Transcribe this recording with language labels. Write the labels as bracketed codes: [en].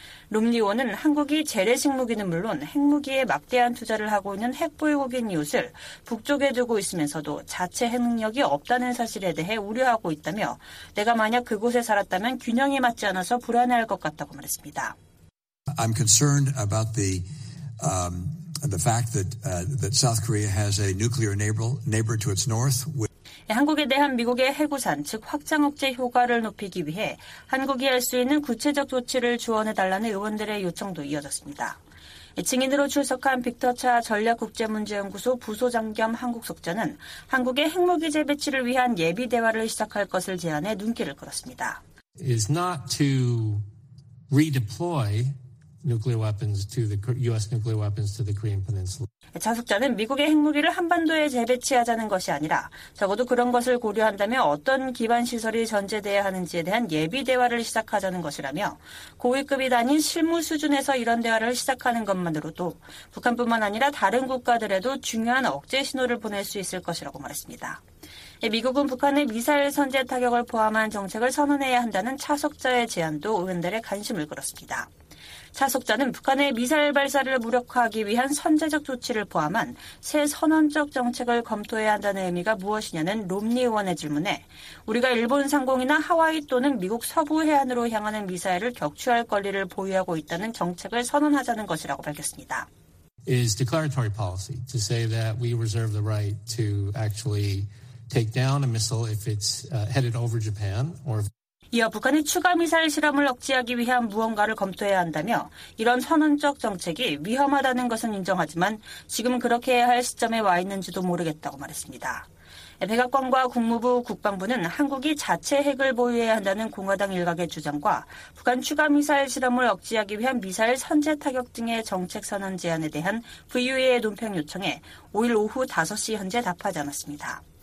[ko] 롬니 의원은 한국이 재래식 무기는 물론 핵무기에 막대한 투자를 하고 있는 핵보유국인 이웃을 북쪽에 두고 있으면서도 자체 핵능력이 없다는 사실에 대해 우려하고 있다며 내가 만약 그곳에 살았다면 균형이 맞지 않아서 불안해할 것 같다고 말했습니다. [en] I'm concerned about the fact that that South Korea has a nuclear neighbor to its north. [ko] 한국에 대한 미국의 핵우산, 즉 확장 억제 효과를 높이기 위해 한국이 할 수 있는 구체적 조치를 조언해달라는 의원들의 요청도 이어졌습니다. 증인으로 출석한 빅터 차 전략국제문제연구소 부소장 겸 한국석자는 한국의 핵무기 재배치를 위한 예비 대화를 시작할 것을 제안해 눈길을 끌었습니다. [en] It's not to redeploy nuclear weapons to the U.S. nuclear weapons to the Korean Peninsula. [ko] 자석자는 미국의 핵무기를 한반도에 재배치하자는 것이 아니라 적어도 그런 것을 고려한다면 어떤 기반시설이 전제되어야 하는지에 대한 예비 대화를 시작하자는 것이라며 고위급이 아닌 실무 수준에서 이런 대화를 시작하는 것만으로도 북한뿐만 아니라 다른 국가들에도 중요한 억제 신호를 보낼 수 있을 것이라고 말했습니다. 미국은 북한의 미사일 선제 타격을 포함한 정책을 선언해야 한다는 차석자의 제안도 의원들의 관심을 끌었습니다. 차석자는 북한의 미사일 발사를 무력화하기 위한 선제적 조치를 포함한 새 선언적 정책을 검토해야 한다는 의미가 무엇이냐는 롬니 의원의 질문에 우리가 일본 상공이나 하와이 또는 미국 서부 해안으로 향하는 미사일을 격추할 권리를 보유하고 있다는 정책을 선언하자는 것이라고 밝혔습니다. [en] Is declaratory policy to say that we reserve the right to actually take down a missile if it's headed over Japan or [ko] 이어 북한이 추가 미사일 실험을 억제하기 위한 무언가를 검토해야 한다며 이런 선언적 정책이 위험하다는 것은 인정하지만 지금 그렇게 해야 할 시점에 와 있는지도 모르겠다고 말했습니다. 백악관과 국무부 국방부는 한국이 자체 핵을 보유해야 한다는 공화당 일각의 주장과 북한 추가 미사일 실험을 억제하기 위한 미사일 선제 타격 등의 정책 선언 제안에 대한 VUA의 논평 요청에 5일 오후 5시 현재 답하지 않았습니다.